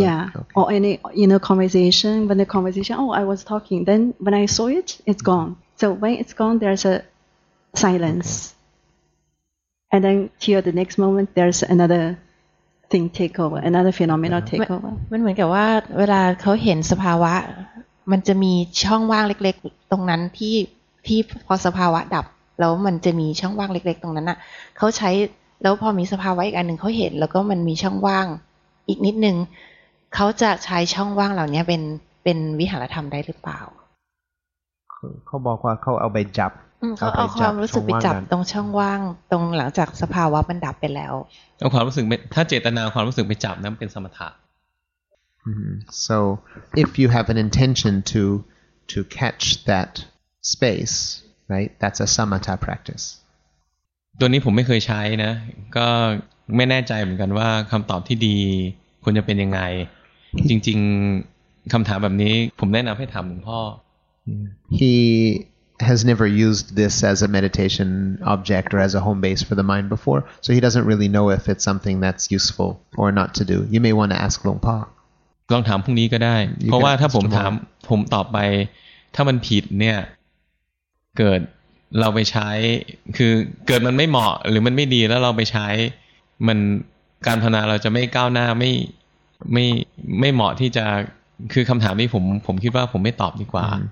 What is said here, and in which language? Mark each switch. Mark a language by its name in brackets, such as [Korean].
[English] yeah, okay. or any you know, conversation, when the conversation, oh, I was talking, then when I saw it, it's mm-hmm. gone. So when it's gone, there's a silence. Okay. And then here the next moment, there's another thing take over, another phenomena uh-huh. take over. [Thai] มันเหมือนกับว่าเวลาเขาเห็นสภาวะมันจะมีช่องว่างเล็กๆตรงนั้นที่พอสภาวะดับแล้วมันจะมีช่องว่างเล็กๆตรงนั้นน่ะเขาใช้แล้วพอมีสภาวะอีกอันนึงเขาเห็นแล้วก็มันมีช่องว่างอีกนิดนึงเขาจะใช้ช่องว่างเหล่านี้เป็นวิหารธรรมได้หรือเปล่า เขาบอกว่าเขาเอาไปจับ เขาเอาความรู้สึกไปจับตรงช่องว่างตรงหลังจากสภาวะมันดับไปแล้ว เอาความรู้สึกถ้าเจตนาความรู้สึกไปจับนั้นเป็นสมถะ [English] Mm-hmm. So if you have an intention to catch that space, right, that's a samatha practice. [Thai] ตัวนี้ผมไม่เคยใช้นะก็ไม่แน่ใจเหมือนกันว่าคำตอบที่ดีควรจะเป็นยังไงจริงๆคำถามแบบนี้ผมแนะนำให้ถามหลวงพ่อ [English] He has never used this as a meditation object or as a home base for the mind before, so he doesn't really know if it's something that's useful or not to do. You may want to ask Long Pa. [Thai] ลองถามพรุ่งนี้ก็ได้เพราะว่าถ้าผมถามผมตอบไปถ้ามันผิดเนี่ยเกิดเราไปใช้คือเกิดมันไม่เหมาะหรือมันไม่ดีแล้วเราไปใช้มันการพนาเราจะไม่ก้าวหน้าไม่เหมาะที่จะคือคำถามที่ผมคิดว่าผมไม่ตอบดีกว่า